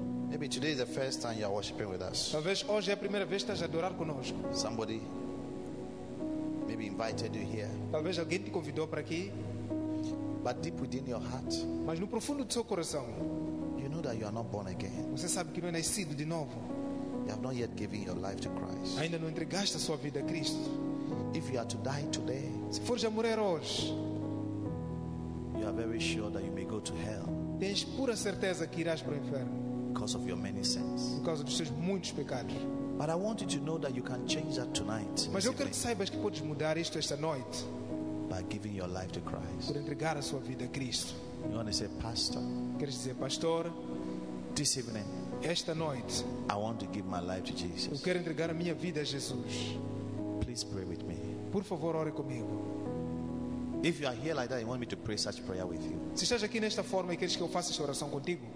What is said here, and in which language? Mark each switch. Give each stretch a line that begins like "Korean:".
English: Maybe today is the first time you are worshiping with us.
Portuguese: Talvez hoje é a primeira vez que estás a adorar conosco.
English: Somebody maybe invited you here.
Portuguese: Talvez alguém te convidou para aqui.
English: But deep within your heart,
Portuguese: mas no profundo do seu coração,
English: you know that you are not born again.
Portuguese: Você sabe que não é nascido de novo.
English: You have not yet given your life to Christ.
Portuguese: Ainda não entregaste a sua vida a Cristo.
English: If you are to die today,
Portuguese: se fores a morrer hoje,
English: you are very sure that you may go to hell.
Portuguese: Tens pura certeza que irás para o inferno.
English: Because of your many sins.
Portuguese: Por causa dos seus muitos pecados.
English: But I want you to know that you can change that tonight.
Portuguese: Mas eu quero que saibas que podes mudar isto esta noite.
English: By giving your life to Christ.
Portuguese: Por entregar a sua vida a Cristo.
English: You want to say, Pastor?
Portuguese: Queres dizer, Pastor?
English: This evening.
Portuguese: Esta noite.
English: I want to give my life to Jesus.
Portuguese: Eu quero entregar a minha vida a Jesus.
English: Please pray with me.
Portuguese: Por favor, ore comigo.
English: If you are here like that, you want me to pray such prayer with you.
Portuguese: Se estás aqui nesta forma e queres que eu faça esta oração contigo.